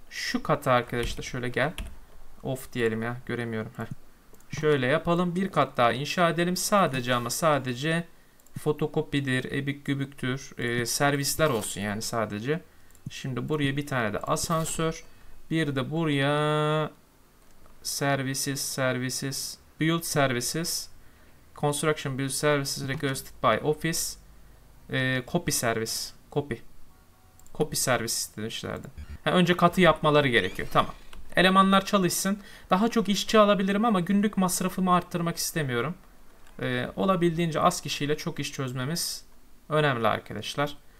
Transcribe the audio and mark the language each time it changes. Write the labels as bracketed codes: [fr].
[tr] Şu kata arkadaşlar şöyle gel. Of diyelim ya, göremiyorum. Heh. Şöyle yapalım. Bir kat daha inşa edelim. Sadece ama sadece fotokopidir, ebik gübüktür. Servisler olsun yani sadece. Şimdi buraya bir tane de asansör. Bir de buraya [en] services, services, build services. Construction build services requested by office. Copy service. Copy. [tr] Copy servis demişlerdi. Ha, önce katı yapmaları gerekiyor. Tamam. Elemanlar çalışsın. Daha çok işçi alabilirim ama günlük masrafımı arttırmak istemiyorum. Olabildiğince az kişiyle çok iş çözmemiz önemli arkadaşlar.